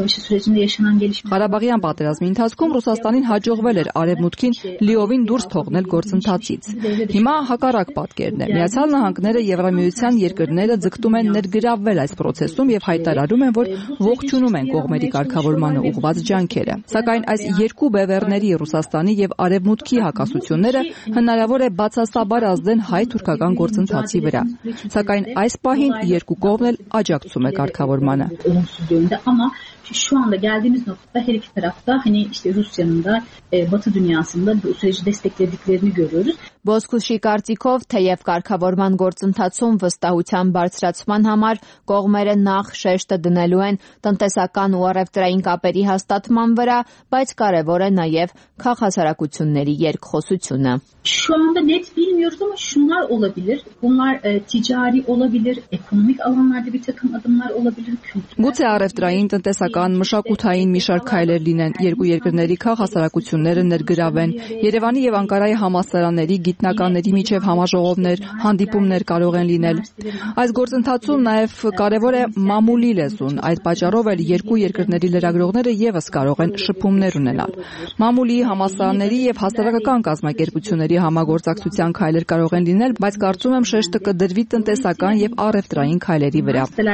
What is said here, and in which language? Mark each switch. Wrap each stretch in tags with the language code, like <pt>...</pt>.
<hy>Ղարաբաղյան պատերազմի ընթացքում Ռուսաստանին հաջողվել էր արևմուտքին լիովին դուրս թողնել գործընթացից։ Հիմա հակառակ պատկերն է։ Միացյալ Նահանգները, Եվրամիության երկրները ձգտում են ներգրավվել այս պրոցեսում և հայտարարում են, որ ողջունում են կողմերի կարգավորմանը ուղված ջանքերը։ Սակայն այս երկու բևեռների, Ռուսաստանի և արևմուտքի հակասությունները հնարավոր է բացասաբար ազդեն հայ-թուրքական գործընթացի վրա։ Սակայն այս պահին երկու կողմն էլ աջակցում է կարգավորմանը։</hy> <tr>şu anda geldiğimiz noktada her iki tarafta hani işte Rusya'nın da Batı dünyasında bu süreci desteklediklerini görüyoruz.</tr> <hy>Բոսկուշի կարծիքով, թեև կարգավորման գործընթացում վստահության բարձրացման համար կողմերը նախ շեշտը դնելու են տնտեսական ու առևտրային կապերի հաստատման վրա, բայց կարևոր է նաև քաղաքացիությունների երկխոսությունը. Շուտով</hy> <tr>net bilmiyoruz ama şunlar olabilir. Bunlar ticari olabilir, ekonomik alanlarda bir takım adımlar olabilir.</tr> <hy>Գուցե առևտրային, տնտեսական, մշակութային մի շարք քայլեր լինեն երկու երկրների քաղաքացիությունները ներգրավեն Երևանի եւ Անկարայի համասարաների գիտնականների միջև համաժողովներ, հանդիպումներ կարող են լինել։ Այս գործընթացում նաև կարևոր է մամուլի լեզուն, այդ պատճառով էլ երկու երկրների լրագրողները ևս կարող են շփումներ ունենալ։ Մամուլի համասարաների եւ հասարակական կազմակերպությունների համագործակցության քայլեր կարող են լինել, բայց կարծում եմ շեշտը կդրվի տնտեսական եւ առևտրային քայլերի վրա։</hy>